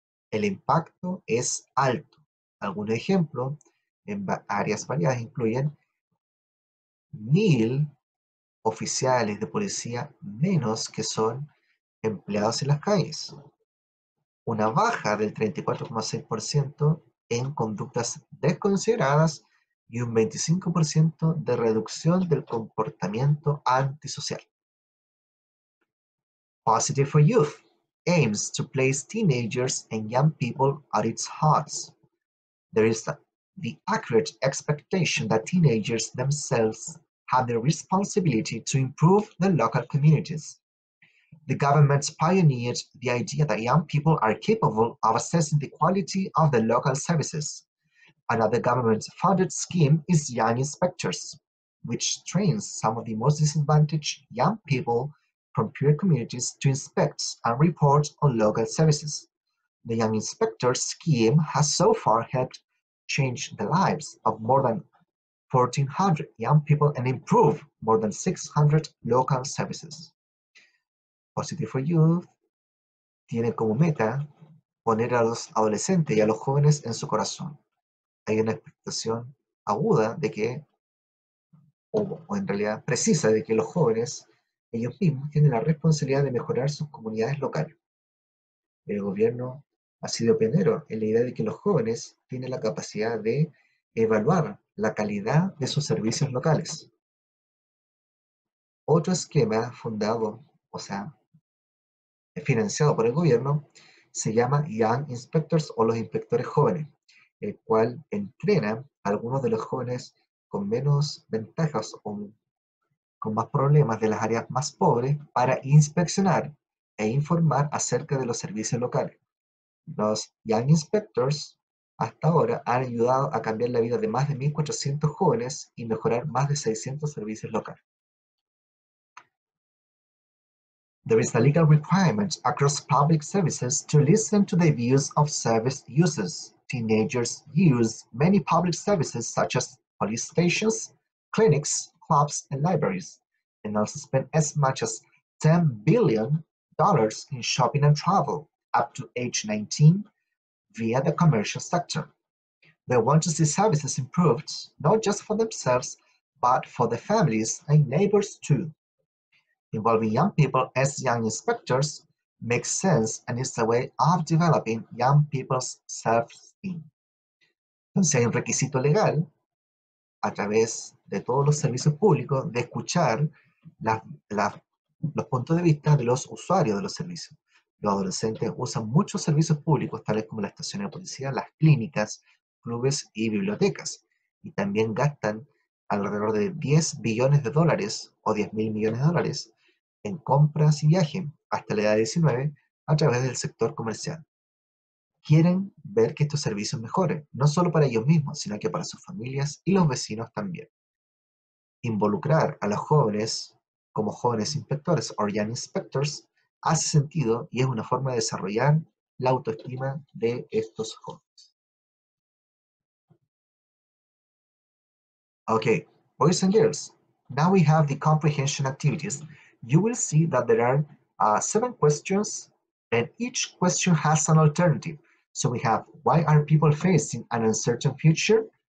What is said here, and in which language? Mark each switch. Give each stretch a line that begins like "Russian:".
Spanish: El impacto es alto. Algunos ejemplos en va áreas variadas incluyen 1.000 oficiales de policía menos que son empleados en las calles. Una baja del 34,6% en conductas desconsideradas y un 25% de reducción del comportamiento antisocial.
English: Positive for Youth aims to place teenagers and young people at its heart. There is the accurate expectation that teenagers themselves have the responsibility to improve the local communities. The government pioneered the idea that young people are capable of assessing the quality of the local services. Another government-funded scheme is Young Inspectors, which trains some of the most disadvantaged young people from poor communities to inspect and report on local services. The Young Inspectors scheme has so far helped change the lives of more than 1,400 young people and improve more than 600 local services.
Spanish: Positive for Youth tiene como meta poner a los adolescentes y a los jóvenes en su corazón. Hay una expectación aguda de que, o en realidad precisa de que los jóvenes ellos mismos tienen la responsabilidad de mejorar sus comunidades locales. El gobierno ha sido pionero en la idea de que los jóvenes tienen la capacidad de evaluar la calidad de sus servicios locales. Otro esquema fundado, o sea, financiado por el gobierno, se llama Young Inspectors o los inspectores jóvenes, el cual entrena a algunos de los jóvenes con menos ventajas o con más problemas de las áreas más pobres para inspeccionar e informar acerca de los servicios locales. Los Young Inspectors hasta ahora han ayudado a cambiar la vida de más de 1.400 jóvenes y mejorar más de 600 servicios locales.
English: There is a legal requirement across public services to listen to the views of service users. Teenagers use many public services such as police stations, clinics, clubs, and libraries, and also spend as much as $10 billion in shopping and travel up to age 19 via the commercial sector. They want to see services improved, not just for themselves, but for their families and neighbors too. Involving young people as young inspectors makes sense and is a way of developing young people's self-esteem.
Spanish: Entonces, hay un requisito legal a través de todos los servicios públicos de escuchar los puntos de vista de los usuarios de los servicios. Los adolescentes usan muchos servicios públicos, tales como las estaciones de policía, las clínicas, clubes y bibliotecas, y también gastan alrededor de 10 billones de dólares o 10 mil millones de dólares en compras y viajes hasta la edad de 19 a través del sector comercial. Quieren ver que estos servicios mejoren, no solo para ellos mismos, sino que para sus familias y los vecinos también. Involucrar a los jóvenes como jóvenes inspectores o young inspectors hace sentido y es una forma de desarrollar la autoestima de estos jóvenes.
English: Okay, boys and girls, now we have the comprehension activities. You will see that there are 7 questions, and each question has an alternative. So we have, why are people facing an uncertain future?